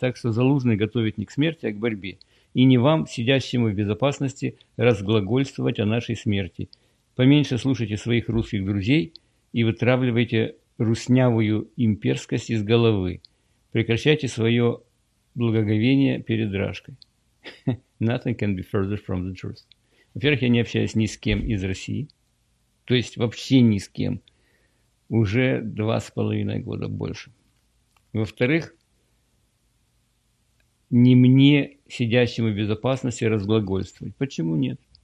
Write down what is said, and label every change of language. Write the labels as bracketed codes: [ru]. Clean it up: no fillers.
[ru] Так что Залужный готовит не к смерти, а к борьбе. И не вам, сидящему в безопасности, разглагольствовать о нашей смерти. Поменьше слушайте своих русских друзей и вытравливайте руснявую имперскость из головы. Прекращайте свое благоговение перед Рашкой. [en] Nothing can be further from the truth. [ru] Во-первых, я не общаюсь ни с кем из России. То есть вообще ни с кем. Уже 2,5 года больше. Во-вторых, не мне, сидящему в безопасности, разглагольствовать. Почему нет?